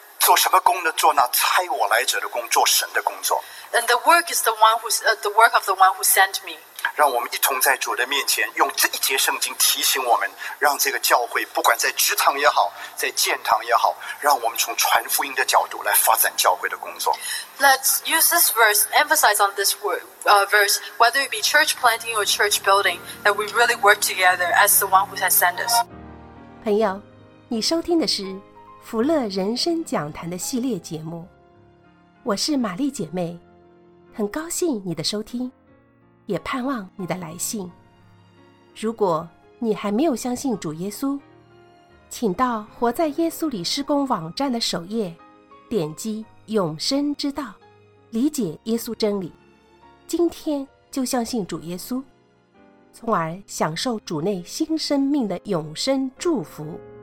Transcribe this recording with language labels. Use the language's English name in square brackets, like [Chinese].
[Chinese] 做什么工呢？做那差我来者的工，做神的工作。 [English] And the work is the work of the one who sent me. [Chinese] 让我们一同在主的面前，用这一节圣经提醒我们，让这个教会不管在职场也好，在建堂也好，让我们从传福音的角度来发展教会的工作。 [English] Let's use this verse, emphasize on this word, verse, whether it be church planting or church building, that we really work together as the one who has sent us. [Chinese] 朋友，你收听的是福乐人生讲坛的系列节目，我是玛丽姐妹，很高兴你的收听，也盼望你的来信。如果你还没有相信主耶稣，请到活在耶稣里施工网站的首页，点击永生之道，理解耶稣真理，今天就相信主耶稣，从而享受主内新生命的永生祝福。